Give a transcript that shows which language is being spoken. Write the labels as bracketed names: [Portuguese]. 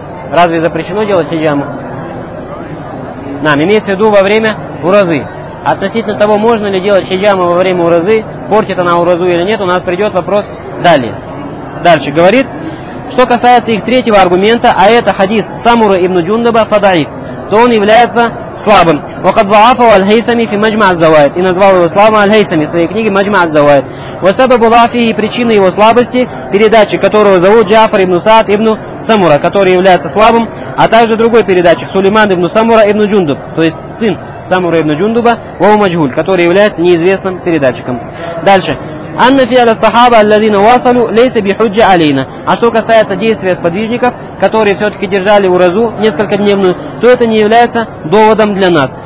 [Russian] Разве запрещено делать хиджаму? Нам имеется в виду во время уразы. Относительно того, можно ли делать хиджаму во время уразы, портит она уразу или нет, у нас придет вопрос далее. Дальше говорит, что касается их третьего аргумента, а это хадис Самура ибн Джундаба Фадаиф, то он является слабым. [Arabic] وقد ضعفه الهيثمي في مجمع الزوائد. [Russian] И назвал его слабым الهيثمي в своей книге مجمع الزوائد. [Arabic] وسبب ضعفه, [Russian] причина его слабости, передача которого зовут Джафар ибн Саад ибн Самура, который является слабым, а также другой передача Сулейман ибн Самура ибн Джундуб, то есть сын Самура ибн Джундуба, [Arabic] вау маджгуль, [Russian] который является неизвестным передатчиком. Дальше. [Arabic] أن فعل الصحابة الذين واصلوا ليس بحجة علينا. [Russian] А что касается действия сподвижников, которые все-таки держали уразу несколько дневную, то это не является доводом для нас.